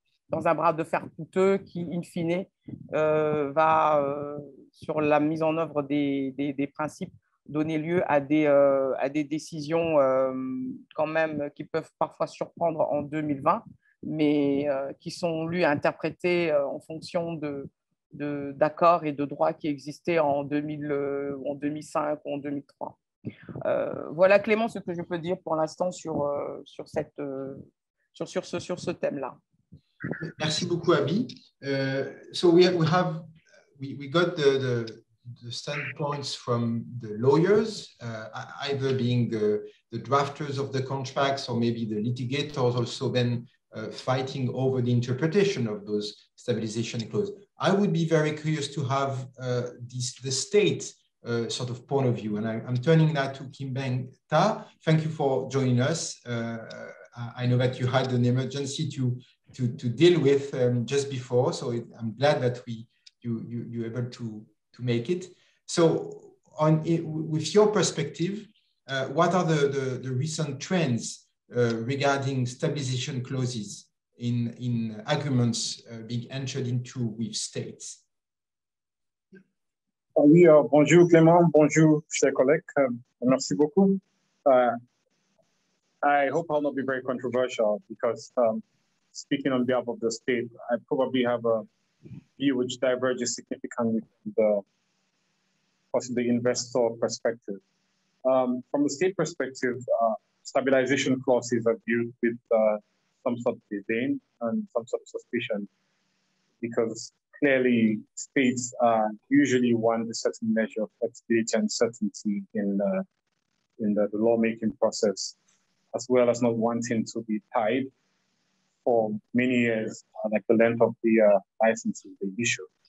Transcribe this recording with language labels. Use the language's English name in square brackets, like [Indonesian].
[French] dans un bras de fer coûteux qui, in fine, va, sur la mise en œuvre des principes, donner lieu à des décisions quand même qui peuvent parfois surprendre en 2020, mais qui sont lues et interprétées en fonction de d'accords et de droits qui existaient en 2000, en 2005 ou en 2003. Voilà, Clément, ce que je peux dire pour l'instant sur, sur, cette, sur ce thème-là. Merci beaucoup, Abby. [English] So we got the standpoints from the lawyers, either being the drafters of the contracts or maybe the litigators also then fighting over the interpretation of those stabilization clauses. I would be very curious to have the state sort of point of view. And I'm turning that to Kimbeng Ta. Thank you for joining us. I know that you had an emergency to deal with just before. So I'm glad that you're able to make it. So on it, with your perspective, what are the recent trends regarding stabilization clauses in agreements being entered into with states? [French] Oui, bonjour Clément, bonjour chers collègues, merci beaucoup. [English] I hope I'll not be very controversial because speaking on behalf of the state, I probably have a view which diverges significantly from the possibly investor perspective. From the state perspective, stabilization clauses are viewed with some sort of disdain and some sort of suspicion because clearly states usually want a certain measure of flexibility and certainty in the lawmaking process, as well as not wanting to be tied for many years, like the length of the licenses they issue.